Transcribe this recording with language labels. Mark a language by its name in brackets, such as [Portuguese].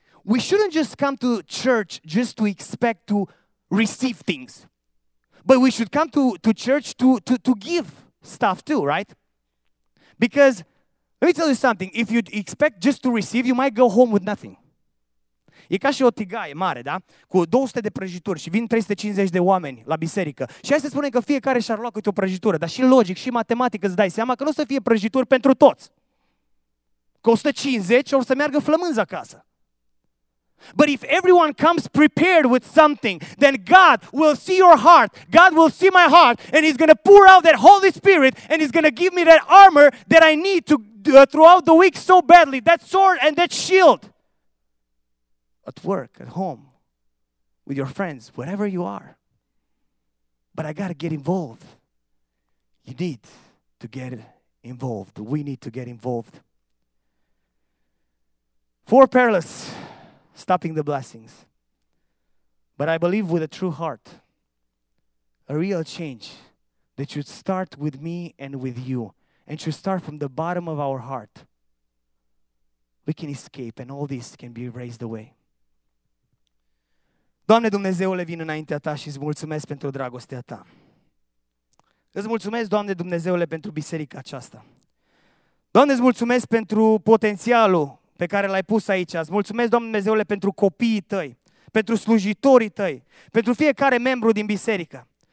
[English] We shouldn't just come to church just to expect to receive things. But we should come to church to give stuff too, right? Because let me tell you something. If you expect just to receive, you might go home with nothing. [Romanian] E ca și o tigaie mare, da? Cu 200 de prăjituri și vin 350 de oameni la biserică. Și hai să spunem că fiecare și-ar lua câte o prăjitură. Dar și logic, și matematic îți dai seama că nu o să fie prăjituri pentru toți. Că 150 o să meargă flămânzi acasă. [English] But if everyone comes prepared with something, then God will see your heart. God will see my heart and he's going to pour out that Holy Spirit and he's going to give me that armor that I need to throughout the week so badly. That sword and that shield. At work, at home, with your friends, wherever you are. But I got to get involved. You need to get involved. We need to get involved. Four perilous, stopping the blessings. But I believe with a true heart, a real change that should start with me and with you, and should start from the bottom of our heart, we can escape and all this can be raised away. [Romanian] Doamne Dumnezeule, vin înaintea Ta și îți mulțumesc pentru dragostea Ta. Îți mulțumesc, Doamne Dumnezeule, pentru biserica aceasta. Doamne, îți mulțumesc pentru potențialul pe care l-ai pus aici. Îți mulțumesc, Doamne Dumnezeule, pentru copiii Tăi, pentru slujitorii Tăi, pentru fiecare membru din biserică.